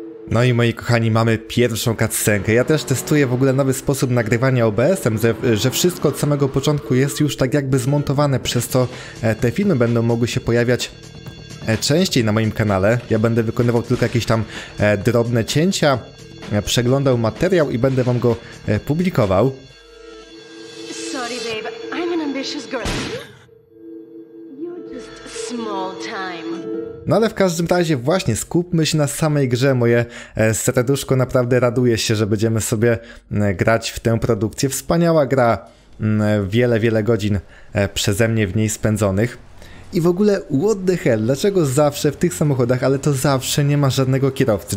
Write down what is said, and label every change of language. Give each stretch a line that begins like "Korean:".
Polish: No i moi kochani, mamy pierwszą cutscenkę. Ja też testuję w ogóle nowy sposób nagrywania OBS-em, że wszystko od samego początku jest już tak jakby zmontowane, przez co te filmy będą mogły się pojawiać częściej na moim kanale. Ja będę wykonywał tylko jakieś tam drobne cięcia, przeglądał materiał i będę wam go publikował.
English: Sorry babe, I'm an ambitious girl. You're just small time.
Polish: No ale w każdym razie właśnie skupmy się na samej grze. Moje serduszko naprawdę raduje się, że będziemy sobie grać w tę produkcję. Wspaniała gra, wiele godzin przeze mnie w niej spędzonych. I w ogóle,
English: what the hell,
Polish: dlaczego zawsze w tych samochodach, ale to zawsze nie ma żadnego kierowcy?